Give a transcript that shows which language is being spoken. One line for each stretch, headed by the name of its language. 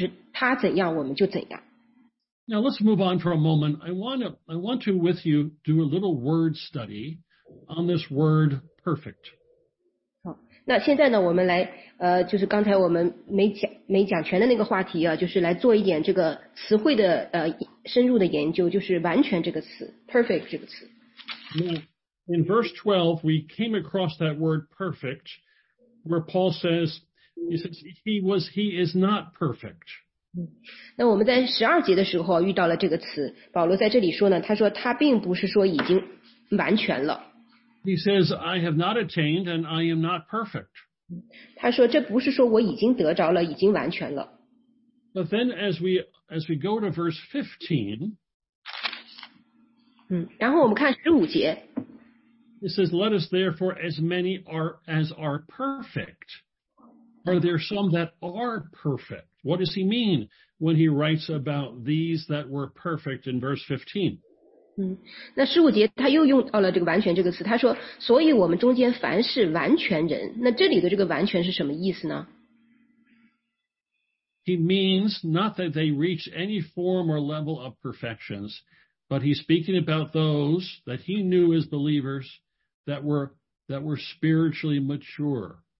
Chinese: 更多的认识主，更多的像他。那有一天呢，我们会看见他的时候呢，我们就会完全的像他一样，就是他怎样，我们就怎样。
English: Now let's move on for a moment. I want to with you do a little word study on this word perfect.
Chinese: 好，那现在呢，我们来就是刚才我们没讲全的那个话题啊，就是来做一点这个词汇的深入的研究，就是完全这个词 perfect 这个词。
English: In verse 12, we came across that word perfect, where Paul says, he says, he is not perfect.
Chinese: 那我们在12节的时候遇到了这个词, 保罗在这里说呢, 他说他并不是说已经完全了。
English: He says, I have not attained and I am not perfect.
Chinese: 他说这不是说我已经得着了, 已经完全了。
English: But then as we go to verse 15,
Chinese: 然后我们看15节,
English: it says, let us therefore as many as are perfect. Are there some that are perfect? What does he mean when he writes about these that were perfect in verse 15?
Chinese: 那15节他又用到了这个完全这个词，他说，所以我们中间凡是完全人。那这里的这个完全是什么意思呢？
English: He means not that they reach any form or level of perfections, but he's speaking about those that he knew as believers that were spiritually mature.